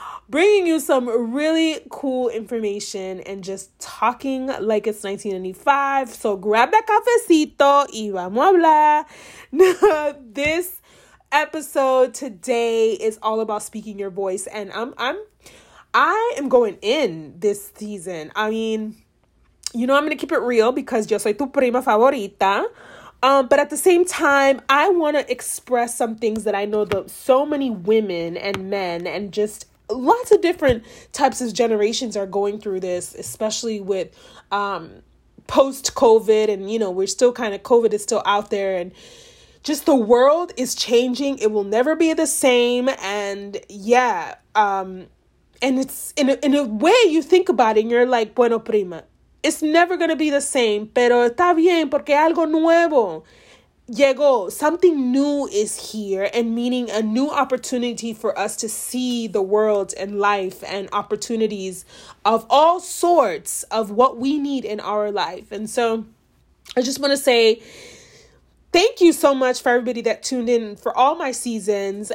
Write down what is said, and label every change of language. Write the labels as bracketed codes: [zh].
[en] Bringing you some really cool information and just talking like it's 1995. So grab that cafecito [es] y vamos a hablar. [en] This episode today is all about speaking your voice. And I am going in this season. I mean, you know, I'm going to keep it real because [es] yo soy tu prima favorita. [en] But at the same time, I want to express some things that I know that so many women and men and just lots of different types of generations are going through this, especially with post-COVID. And, you know, we're still kind of, COVID is still out there. And just the world is changing. It will never be the same. And yeah, and it's in a way you think about it and you're like, [es] bueno, prima, [en] it's never going to be the same. [es] Pero está bien porque algo nuevo llegó. [en] Something new is here, and meaning a new opportunity for us to see the world and life and opportunities of all sorts of what we need in our life. And so I just want to say thank you so much for everybody that tuned in for all my seasons.